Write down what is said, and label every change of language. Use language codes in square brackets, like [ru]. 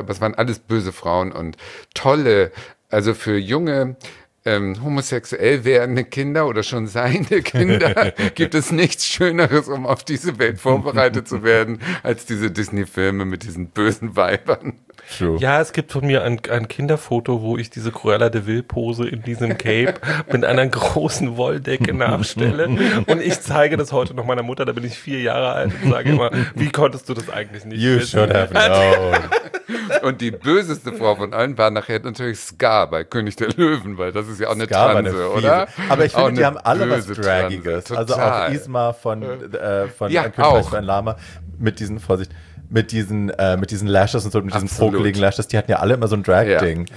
[de] Aber es waren alles böse Frauen und tolle, also für junge homosexuell werdende Kinder oder schon seine Kinder, gibt es nichts Schöneres, um auf diese Welt vorbereitet zu werden, als diese Disney-Filme mit diesen bösen Weibern. [en] True. [de] Ja, es gibt von mir ein Kinderfoto, wo ich diese Cruella de Vil Pose in diesem Cape mit einer großen Wolldecke nachstelle und ich zeige das heute noch meiner Mutter, da bin ich 4 Jahre alt und sage immer, wie konntest du das eigentlich nicht wissen? [en] You should have known. [de] Und die böseste Frau von allen war nachher natürlich Scar bei König der Löwen, weil das ist ja auch eine Scar Transe, eine oder? Aber ich finde, die haben alle was Dragiges. Also auch Yzma von König auch. Von Lama mit diesen Lashes und so, mit diesen vogeligen Lashes, die hatten ja alle immer so ein Drag-Ding.